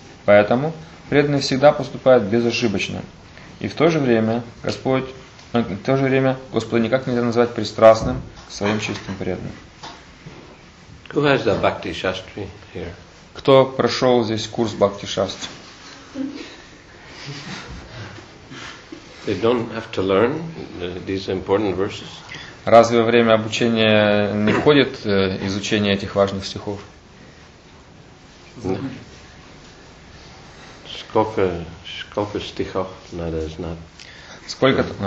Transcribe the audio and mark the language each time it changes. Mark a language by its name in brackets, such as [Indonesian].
[Russian] Поэтому преданный всегда поступает безошибочно. И в то же время Господа никак нельзя назвать пристрастным к своим чистым преданным. [English] Who has the Bhakti Shastri here? [Russian] Кто прошел здесь курс Бхакти Шастри? [English] They don't have to learn these important verses. [Russian] Разве во время обучения не входит изучение этих важных стихов? Сколько стихов надо знать? Сколько?